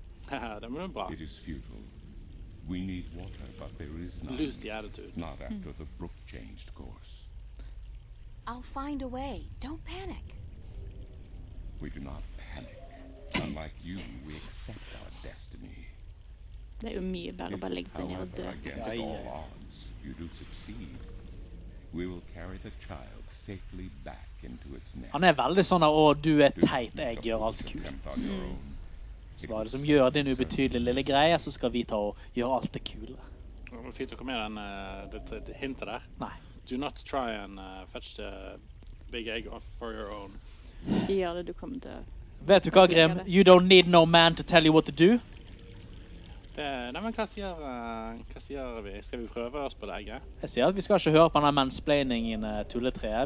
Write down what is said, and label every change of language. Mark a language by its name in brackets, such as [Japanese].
[Norwegian] Haha, det var jo bra. [English] It is futile. We need water, but there is none. Lose the attitude. Not after the brook changed course. I'll find a way. Don't panic. We do not panic. Unlike you, we accept our destiny. [Norwegian] Det er jo mye bedre å bare legge seg ned og dø. [English] Against all odds, you do succeed. We will carry the child safely back into its nest. [Norwegian] Han er veldig sånn at, du er teit, jeg gjør alt kult. Så bare det som gjør din ubetydelige lille greie, så skal vi ta og gjøre alt det kule. Det var fint å komme med det hintet der. Nei. [English] Do not try and fetch the big egg off for your own. [Norwegian] Ikke gjør det, du kommer til å... Vet du hva, Grim? [English] You don't need no man to tell you what to do. [Norwegian] Nei, men hva sier vi? Skal vi prøve oss på det egget? Jeg sier at vi skal ikke høre på denne mansplainingen tulletreet.